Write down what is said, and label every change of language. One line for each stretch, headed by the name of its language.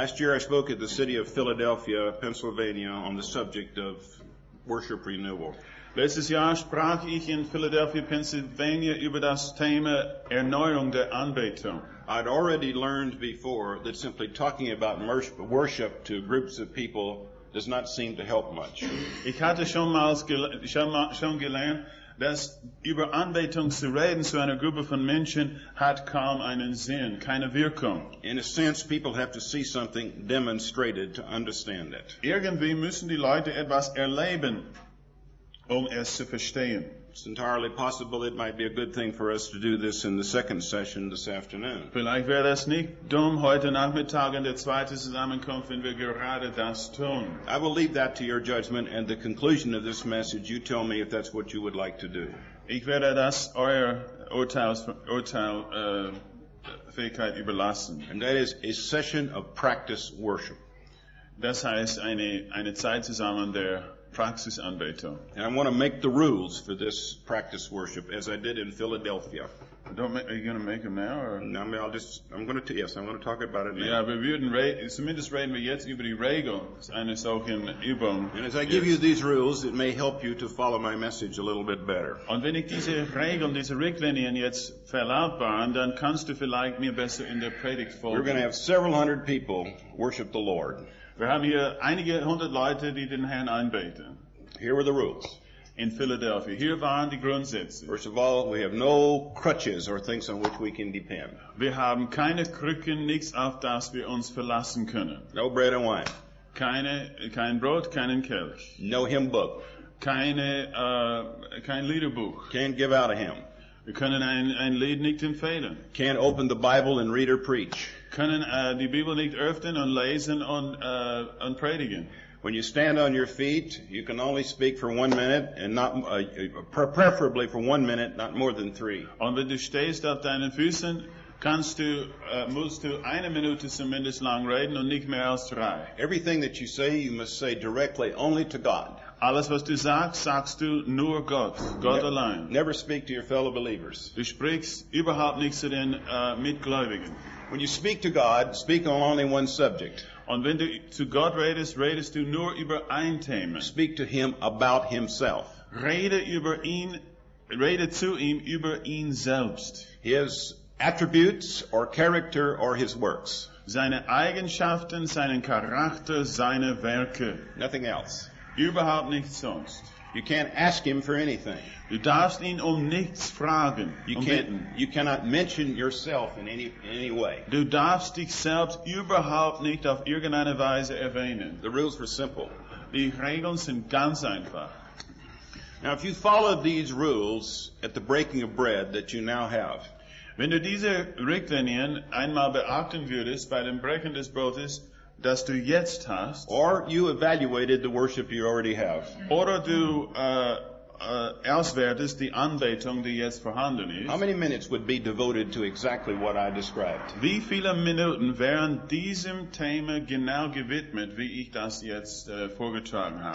English: Last year I spoke at the city of Philadelphia, Pennsylvania, on the subject of worship renewal.
German: Letztes Jahr sprach ich in Philadelphia, Pennsylvania über das Thema Erneuerung der Anbetung.
English: I'd already learned before that simply talking about worship to groups of people does not seem to help much.
German: Ich hatte schon gelernt, dass über Anbetung zu reden zu einer Gruppe von Menschen hat kaum einen Sinn, keine Wirkung.
English: In a sense, people have to see something demonstrated to understand it.
German: Irgendwie müssen die Leute etwas erleben, um es zu verstehen.
English: It's entirely possible it might be a good thing for us to do this in the second session this afternoon.
German: Vielleicht wäre das nicht dumm, heute Nachmittag in der zweiten Zusammenkunft, wenn wir gerade das tun.
English: I will leave that to your judgment and the conclusion of this message. You tell me if that's what you would like to do.
German: Ich werde das Urteilsfähigkeit überlassen.
English: And that is a session of practice worship.
German: Das heißt, eine Zeit zusammen der Praxis Anbetung.
English: And I want to make the rules for this practice worship as I did in Philadelphia. Are you going to make them now? Or? No, I'm going to talk about it now.
German: Ja, wir würden zumindest reden wir jetzt über die Regeln einer solchen Übung.
English: And as I give you these rules, it may help you to follow my message a little bit better.
German: Und wenn ich diese Regeln, diese Richtlinien jetzt verlautbaren, dann kannst du vielleicht mir besser in der Predigt folgen.
English: We're going to have several hundred people worship the Lord.
German: Wir haben hier einige hundert Leute, die den Herrn anbeten.
English: Here were the rules.
German: In Philadelphia. Hier waren die Grundsätze.
English: First of all, we have no crutches or things on which we can depend.
German: Wir haben keine Krücken, nichts auf das wir uns verlassen können.
English: No bread and wine.
German: Kein Brot, keinen Kelch.
English: No hymn book.
German: Kein Liederbuch.
English: Can't give out a hymn.
German: Wir können ein Lied nicht empfehlen.
English: Can't open the Bible and read or preach.
German: Können die Bibel nicht öffnen und lesen und predigen.
English: When you stand on your feet, you can only speak for 1 minute, and not preferably for 1 minute, not more than 3.
German: Und wenn du stehst auf deinen Füßen, musst du eine Minute zumindest lang reden und nicht mehr als 3.
English: Everything that you say, you must say directly only to God.
German: Alles, was du sagst, sagst du nur Gott allein.
English: Never speak to your fellow believers.
German: Du sprichst überhaupt nicht zu den Mitgläubigen.
English: When you speak to God, speak on only one subject.
German: Und wenn du zu Gott redest du nur über ein Thema.
English: Speak to him about himself.
German: Rede zu ihm über ihn selbst.
English: His attributes or character or his works.
German: Seine Eigenschaften, seinen Charakter, seine Werke.
English: Nothing else.
German: Überhaupt nichts sonst.
English: You can't ask him for anything.
German: Du darfst ihn nichts fragen.
English: You cannot mention yourself in any way.
German: Du darfst dich selbst überhaupt nicht auf irgendeine Weise erwähnen.
English: The rules were simple.
German: Die Regeln sind ganz einfach.
English: Now, if you followed these rules at the breaking of bread that you now have,
German: wenn du diese Richtlinien einmal beachten würdest bei dem Brechen des Brotes, dass du jetzt hast,
English: or you evaluated the worship you already have,
German: oder du auswertest die Anbetung, die jetzt vorhanden ist.
English: How many minutes would be devoted to exactly what I described?
German: Wie viele Minuten wären diesem Thema genau gewidmet, wie ich das jetzt vorgetragen habe?